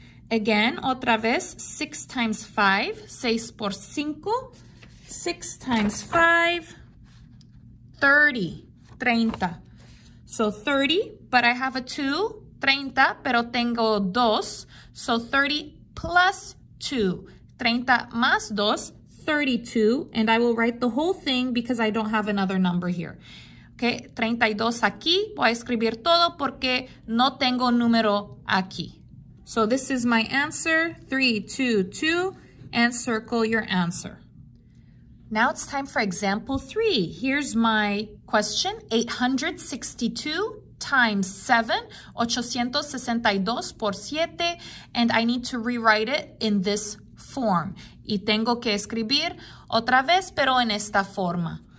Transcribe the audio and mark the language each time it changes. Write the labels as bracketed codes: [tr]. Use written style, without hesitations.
[en] Again, [es] otra vez, [en] 6 times 5, [es] 6 por 5, [en] 6 times 5, 30, 30. So 30, but I have a 2, [es] 30, pero tengo 2. [en] So 30 plus 2, [es] 30 más 2. [en] 32, and I will write the whole thing because I don't have another number here. [es] Okay, 32 aquí. Voy a escribir todo porque no tengo número aquí. [en] So this is my answer, 3, 2, 2, and circle your answer. Now it's time for example 3. Here's my question, 862 times 7, [es] 862 por 7, [en] and I need to rewrite it in this form. [es] Y tengo que escribir otra vez, pero en esta forma.